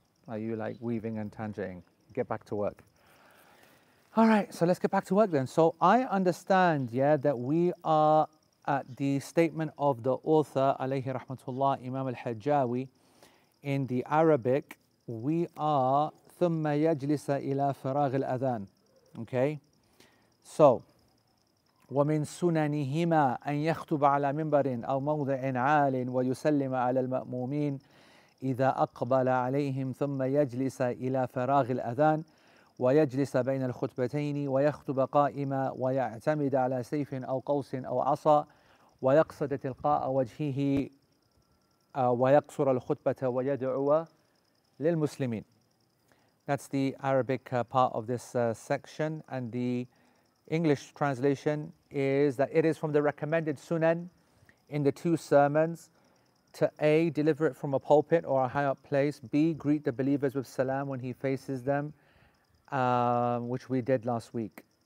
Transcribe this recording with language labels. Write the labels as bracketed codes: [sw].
[en] Are you like weaving and tangenting? Get back to work. All right, so let's get back to work then. So I understand, yeah, that we are at the statement of the author, alayhi rahmatullah, Imam al-Hajjawi, in the Arabic, we are thumma yajlisa ila faragh al-adhan. Okay? [ar] So, وَمِنْ سُنَنِهِمَا أَنْ يَخْتُبَ عَلَى مِنْبَرٍ أَوْ مَوْضِعٍ عَالٍ وَيُسَلِّمَ عَلَى الْمَأْمُومِينَ إذا أقبل عليهم ثم يجلس إلى فراغ الأذان ويجلس بين الخطبتين ويخطب قائما ويعتمد على سيف أو قوس أو عصا ويقصد تلقاء وجهه ويقصر الخطبة ويدعو للمسلمين. [en] That's the Arabic part of this section, and the English translation is that it is from the recommended Sunan in the two sermons to A, deliver it from a pulpit or a high up place, B, greet the believers with salam when he faces them, which we did last week.